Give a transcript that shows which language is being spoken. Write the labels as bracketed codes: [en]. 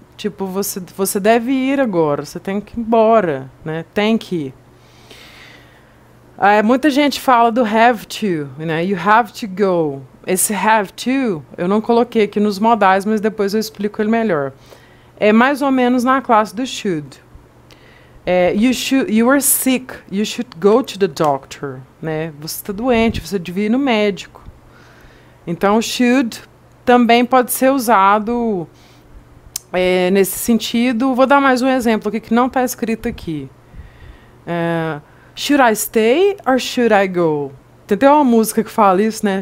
[pt] Tipo, você deve ir agora, você tem que ir embora, né? Tem que ir. É, muita gente fala do have to, né? [en] You have to go. [pt] Esse have to, eu não coloquei aqui nos modais, mas depois eu explico ele melhor. É mais ou menos na classe do should. [en] É, you are sick, you should go to the doctor, né? [pt] Você está doente, você devia ir no médico. Então, should também pode ser usado. É, nesse sentido, vou dar mais um exemplo aqui que não está escrito aqui. [en] Should I stay or should I go? [pt] Tem até uma música que fala isso, né?